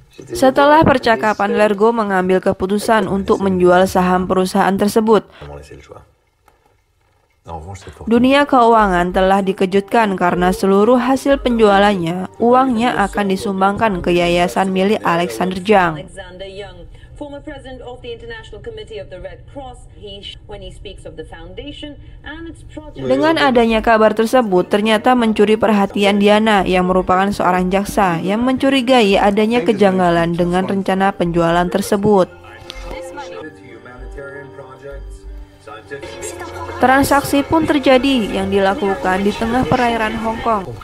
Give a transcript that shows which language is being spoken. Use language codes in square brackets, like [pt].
[id] Setelah percakapan, Lergo mengambil keputusan untuk menjual saham perusahaan tersebut. Dunia keuangan telah dikejutkan karena seluruh hasil penjualannya, uangnya akan disumbangkan ke yayasan milik Alexander Zhang. [en] Former president of the International Committee of the Red Cross, when he speaks of the foundation and its project. [id] Dengan adanya kabar tersebut, ternyata mencuri perhatian Diana, yang merupakan seorang jaksa, yang mencurigai adanya kejanggalan dengan rencana penjualan tersebut. Transaksi pun terjadi yang dilakukan di tengah perairan Hong Kong.